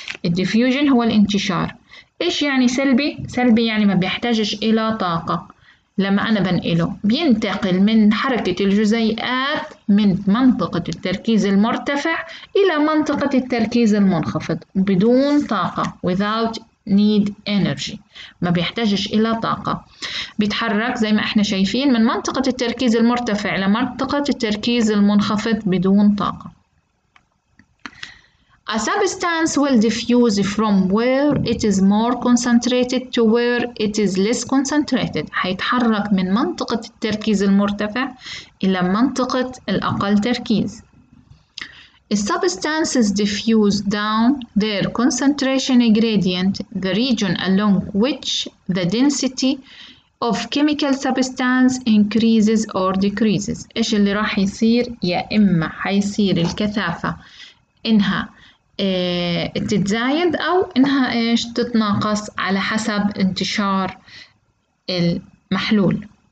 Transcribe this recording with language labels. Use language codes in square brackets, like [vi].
[ar] الديفيوجن هو الانتشار. إيش يعني سلبي؟ سلبي يعني ما بيحتاجش إلى طاقة لما أنا بنقله، بينتقل من حركة الجزيئات من منطقة التركيز المرتفع إلى منطقة التركيز المنخفض بدون طاقة، [en] without need energy، [ar] ما بيحتاجش إلى طاقة، بيتحرك زي ما إحنا شايفين من منطقة التركيز المرتفع إلى منطقة التركيز المنخفض بدون طاقة. [en] A substance will diffuse from where it is more concentrated to where it is less concentrated. [ar] حيتحرك من منطقة التركيز المرتفع إلى منطقة الأقل تركيز. [en] A substance is diffused down their concentration gradient, the region along which the density of chemical substance increases or decreases. [ar] إيش اللي راح يصير؟ يا إما حيصير الكثافة إنها تتزايد أو إنها إيش تتناقص على حسب انتشار المحلول.